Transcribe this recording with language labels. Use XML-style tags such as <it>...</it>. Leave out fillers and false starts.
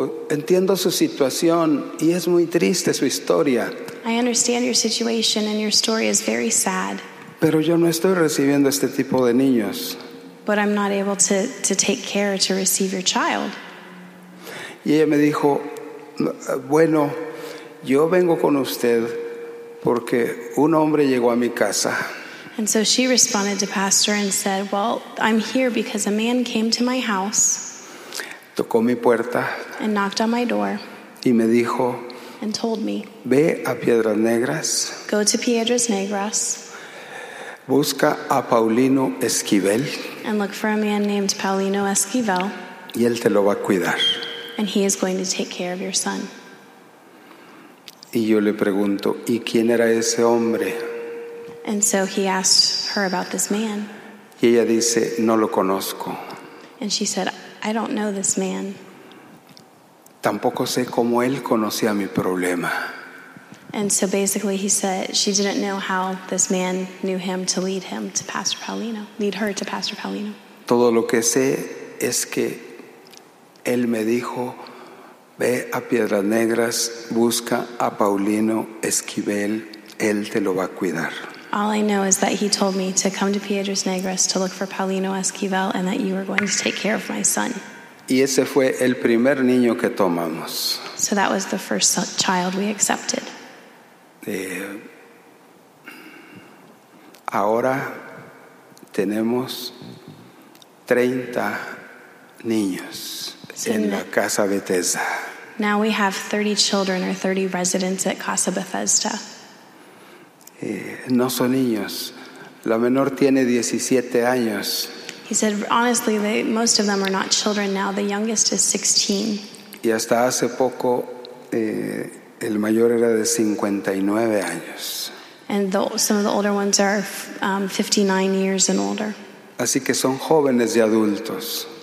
<es>Entiendo su situación, y es muy triste su historia.</es> <en>I understand your situation, and your story is very sad.</en> <es>Pero yo no estoy recibiendo este tipo de niños.</es> <en>But I'm not able to take care to receive your child.</en> <es>Y ella me dijo, bueno, yo vengo con usted porque un hombre llegó a mi casa.</es> <en>And so she responded to Pastor and said, well, I'm here because a man came to my house.</en> <es>Tocó mi puerta.</es> <en>And knocked on my door.</en> <es>Y me dijo,</es> <en>and told me,</en> <es>ve a Piedras Negras.</es> <en>Go to Piedras Negras.</en> <es>Busca a Paulino Esquivel.</es> <en>And look for a man named Paulino Esquivel.</en> <es>Y él te lo va a cuidar.</es> <en>And he is going to take care of your son.</en> <es>Y yo le pregunto, ¿y quién era ese hombre?</es> <en>And so he asked her about this man.</en> <es>Y ella dice, no lo conozco.</es> <en>And she said, I don't know this man.</en> <es>Tampoco sé cómo él conocía mi problema.</es> <en>And so basically he said she didn't know how this man knew him to lead him to Pastor Paulino, lead her to Pastor Paulino.</en> <es>Todo lo que sé es que él me dijo, ve a Piedras Negras, busca a Paulino Esquivel, él te lo va a cuidar.</es> <en>All I know is that he told me to come to Piedras Negras to look for Paulino Esquivel and that you were going to take care of my son.</en> <es>Y ese fue el primer niño que tomamos.</es> <en>So that was the first child we accepted.</en> <es>Ahora tenemos 30 niños en la casa Bethesda.</es> <en>Now we have 30 children or 30 residents at Casa Bethesda.</en> <es>No son niños. La menor tiene 17 años.</es> <en>He said, honestly, most of them are not children now. The youngest is 16.</en> <es>Y hasta hace poco, el mayor era de 59 años.</es> <en>And some of the older ones are 59 years and older.</en> <es>Así que son jóvenes y adultos.</es>